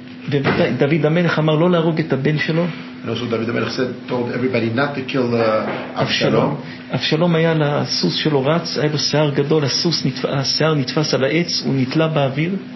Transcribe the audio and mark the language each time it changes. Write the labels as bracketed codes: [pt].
[he] ודוד המלך אמר לא להרוג את הבן שלו. [en] And also David HaMelech said, told everybody not to kill Avshalom. [he] Avshalom היה לסוס שלו רץ, היה לו שיער גדול, הסוס, השיער נתפס על העץ, הוא נתלה באוויר.